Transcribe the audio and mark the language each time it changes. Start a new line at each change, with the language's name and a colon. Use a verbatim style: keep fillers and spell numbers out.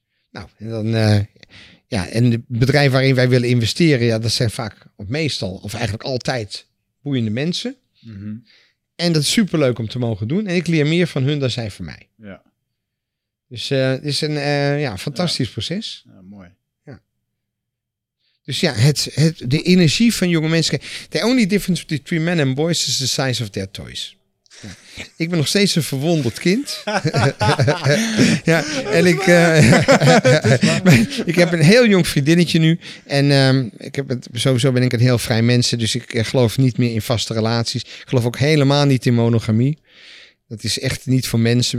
Dutch: Nou, en dan, uh, ja, en de bedrijven waarin wij willen investeren, ja, dat zijn vaak, of meestal, of eigenlijk altijd boeiende mensen. Mm-hmm. En dat is superleuk om te mogen doen. En ik leer meer van hun dan zij van mij. Ja. Dus uh, het is een uh, ja, fantastisch ja. proces. Ja, mooi. Ja. Dus ja, het, het, de energie van jonge mensen.
English: The only difference between men and boys is the size of their toys.
Dutch: Ik ben nog steeds een verwonderd kind. Ja, en ik, uh, ik heb een heel jong vriendinnetje nu. En um, ik heb het, sowieso ben ik een heel vrij mens. Dus ik uh, geloof niet meer in vaste relaties. Ik geloof ook helemaal niet in monogamie. Dat is echt niet voor mensen.